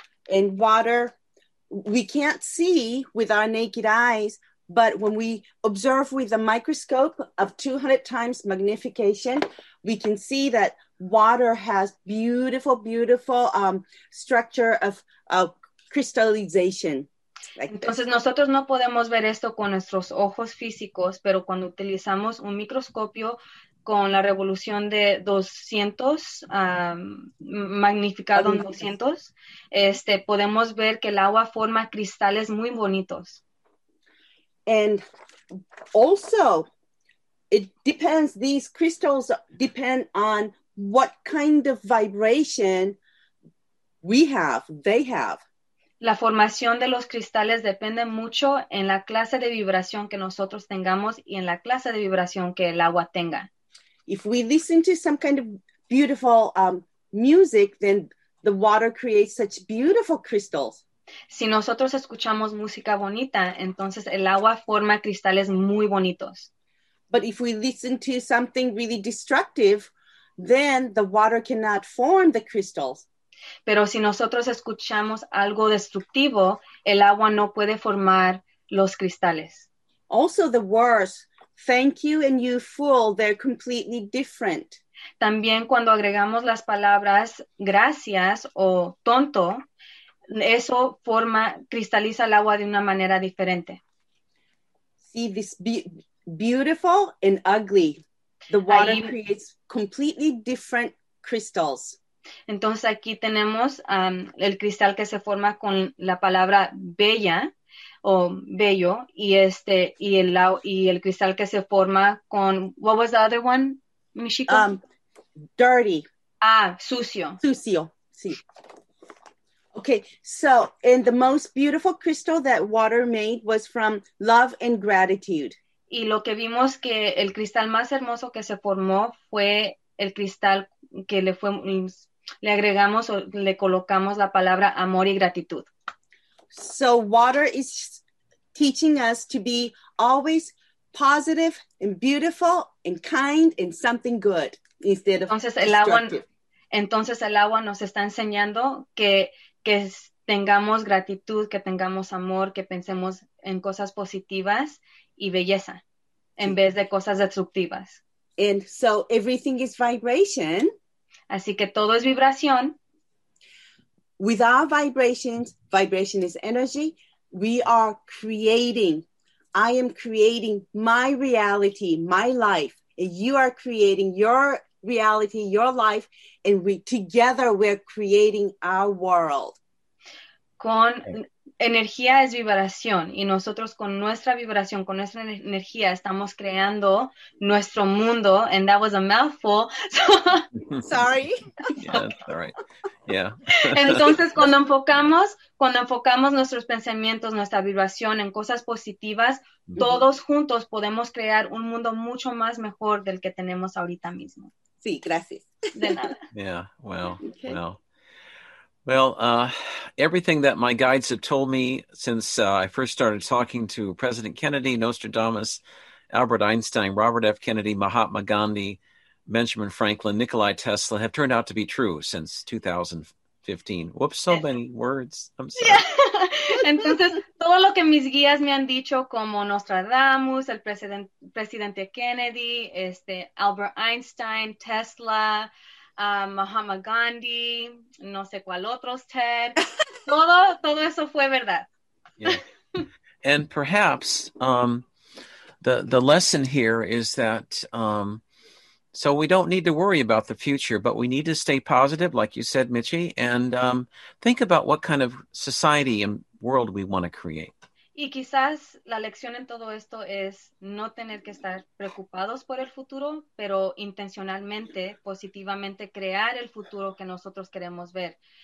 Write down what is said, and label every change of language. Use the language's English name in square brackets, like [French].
[English] And water, we can't see with our naked eyes, but when we observe with a microscope of 200 times magnification, we can see that water has beautiful, beautiful structure of crystallization. [Spanish] Entonces, nosotros no podemos ver esto con nuestros ojos físicos, pero cuando utilizamos un microscopio con la revolución de 200, magnificado en 200, podemos ver que el agua forma cristales muy bonitos. [English] And also, it depends, these crystals depend on what kind of vibration we have, they have. [Spanish] La formación de los cristales depende mucho en la clase de vibración que nosotros tengamos y en la clase de vibración que el agua tenga. [English] If we listen to some kind of beautiful music, then the water creates such beautiful crystals. [Spanish] Si nosotros escuchamos música bonita, entonces el agua forma cristales muy bonitos. [English] But if we listen to something really destructive, then the water cannot form the crystals. [Spanish] Pero si nosotros escuchamos algo destructivo, el agua no puede formar los cristales. [English] Also the words, thank you and you fool, they're completely different. [Spanish] También cuando agregamos las palabras gracias o tonto, eso forma, cristaliza el agua de una manera diferente. [English] See this beautiful and ugly. The water creates completely different crystals. [Spanish] Entonces aquí tenemos el cristal que se forma con la palabra bella o bello y el cristal que se forma con, [English] what was the other one, Michiko? Dirty. [Spanish] Ah, sucio. Sucio, sí. [English] Okay, so, and the most beautiful crystal that water made was from love and gratitude. [Spanish] Y lo que vimos que el cristal más hermoso que se formó fue el cristal que le fue le agregamos o le colocamos la palabra amor y gratitud. [English] So water is teaching us to be always positive and beautiful and kind and something good instead of [Spanish] Entonces el agua nos está enseñando que tengamos gratitud, que tengamos amor, que pensemos en cosas positivas y belleza en vez de cosas destructivas. [English] And so everything is vibration. [Spanish] Así que todo es vibración. [English] With our vibrations, vibration is energy. We are creating. I am creating my reality, my life. And you are creating your reality, your life. And we together, we're creating our world. [Spanish] Con energía es vibración. Y nosotros con nuestra vibración, con nuestra energía, estamos creando nuestro mundo. [English] And that was a mouthful. Sorry. Yeah, that's all right. Yeah. [Spanish] Entonces, cuando enfocamos nuestros pensamientos, nuestra vibración en cosas positivas, todos juntos podemos crear un mundo mucho más mejor del que tenemos ahorita mismo. Sí, gracias. De nada. [English] Yeah, well, okay. Well, everything that my guides have told me since I first started talking to President Kennedy, Nostradamus, Albert Einstein, Robert F. Kennedy, Mahatma Gandhi, Benjamin Franklin, Nikola Tesla have turned out to be true since 2015. Whoops, so many words. I'm sorry. Yeah. [Spanish] Entonces, todo lo que mis guías me han dicho, como Nostradamus, el presidente Kennedy, Albert Einstein, Tesla, Mahatma Gandhi, no sé cuál otros, Ted, todo eso fue verdad. [English] Yeah. And perhaps the lesson here is that so we don't need to worry about the future, but we need to stay positive, like you said, Michi, and think about what kind of society and world we want to create. [Spanish] Y quizás la lección en todo esto es no tener que estar preocupados por el futuro, pero intencionalmente, positivamente crear el futuro que nosotros queremos ver.